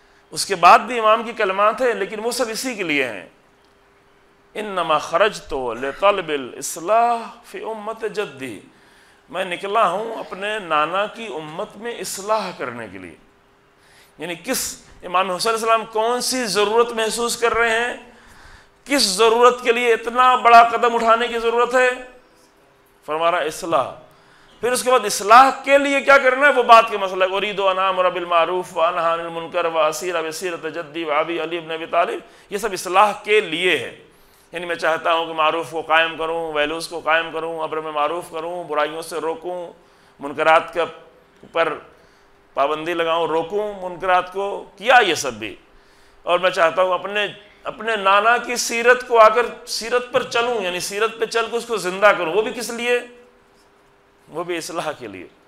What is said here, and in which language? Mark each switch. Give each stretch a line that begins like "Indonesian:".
Urdu: اس کے بعد بھی امام کی کلمات ہیں لیکن وہ سب اسی کے لیے ہیں,
Arabic: انما خرجت لطلب الاصلاح فی امت جدی,
Urdu: میں نکلا ہوں اپنے نانا کی امت میں اصلاح کرنے کے لیے. یعنی کس امام حسین علیہ السلام کون سی ضرورت محسوس کر رہے ہیں, کس ضرورت کے لیے اتنا بڑا قدم اٹھانے کی ضرورت ہے؟ فرما رہا اصلاح. پھر اس کے بعد اصلاح کے لیے کیا کرنا ہے وہ بات کے مسئلہ ہے.
Arabic: اريد ان امر بالمعروف وانهى عن المنكر واسير بسيرة جدي وابي علي بن ابي طالب,
Urdu: یہ سب اصلاح کے لیے ہے. یعنی میں چاہتا ہوں کہ معروف کو قائم کروں, ویلوز کو قائم کروں, امر میں معروف کروں, برائیوں سے روکوں, منکرات کا پر پابندی لگاؤں, روکوں منکرات کو, کیا یہ سب بھی, اور میں چاہتا ہوں اپنے نانا کی سیرت کو آ کر سیرت پر چلوں, یعنی سیرت پہ چل کے اس کو زندہ کروں, وہ بھی کس لیے؟ وہ بھی اصلاح کے لیے.